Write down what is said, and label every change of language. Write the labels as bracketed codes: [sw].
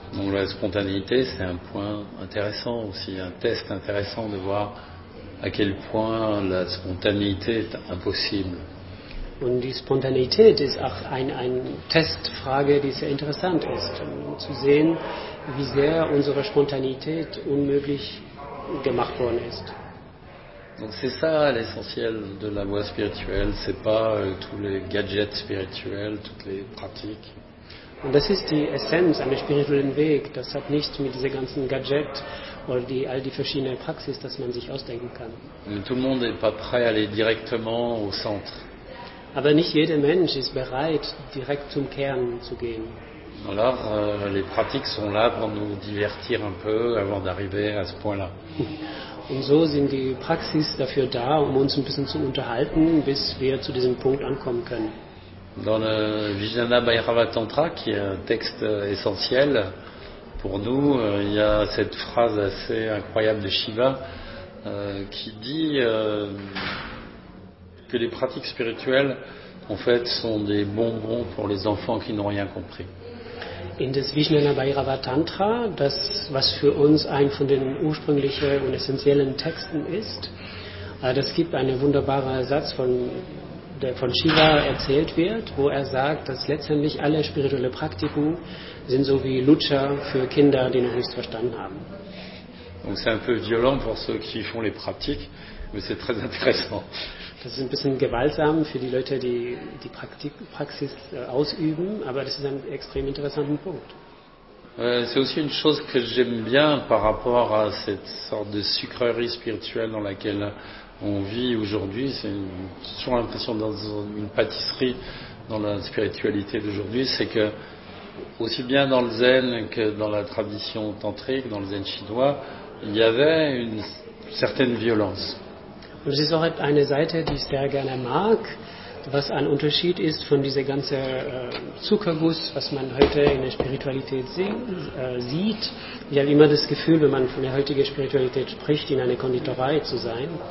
[fr] Donc la spontanéité, c'est un point intéressant aussi, un test intéressant de voir à quel point la spontanéité est impossible. [de] Und die Spontanität ist auch eine Testfrage, die sehr interessant ist, zu sehen, wie sehr unsere Spontanität unmöglich gemacht worden ist. [fr] Donc c'est ça l'essentiel de la voie spirituelle, c'est pas tous les gadgets spirituels, toutes les pratiques. [de] Und das ist die Essenz eines spirituellen Wegs. Das hat nichts mit diesen ganzen Gadgets oder die, all die verschiedenen Praxis, dass man sich ausdenken kann. [fr] Tout le monde n'est pas prêt à aller directement au centre. [de] Aber nicht jeder Mensch ist bereit, direkt zum Kern zu gehen. [fr] Alors, les pratiques sont là pour nous divertir un peu avant d'arriver à ce point-là. [de] Und so sind die Praxis dafür da, um uns ein bisschen zu unterhalten, bis wir zu diesem Punkt ankommen können. [fr] Dans le Vijnana Bhairava Tantra, qui est un texte essentiel pour nous, il y a cette phrase assez incroyable de Shiva qui dit que les pratiques spirituelles, en fait, sont des bonbons pour les enfants qui n'ont rien compris. [de] In das Vijnana Bhairava Tantra, das was für uns ein von den ursprünglichen und essentiellen Texten ist, das gibt einen wunderbaren Satz von der von Shiva erzählt wird, wo er sagt, dass letztendlich alle spirituelle Praktiken sind so wie Lutscher für Kinder, die noch nichts verstanden haben. [fr] Donc c'est un peu violent pour ceux qui font les pratiques, mais c'est très intéressant. [de] Das ist ein bisschen gewaltsam für die Leute, die die Praxis ausüben, aber das ist ein extrem interessanter Punkt. [fr] C'est aussi une chose que j'aime bien par rapport à cette sorte de sucrerie spirituelle dans laquelle on vit aujourd'hui. C'est toujours l'impression dans une pâtisserie dans la spiritualité d'aujourd'hui. C'est que, aussi bien dans le zen que dans la tradition tantrique, dans le zen chinois, il y avait une certaine violence. [de] Und es ist auch eine Seite, die ich sehr gerne mag, was ein Unterschied ist von dieser ganzen Zuckerguss, was man heute in der Spiritualität sieht. Ich habe immer das Gefühl, wenn man von der heutigen Spiritualität spricht, in einer Konditorei zu sein.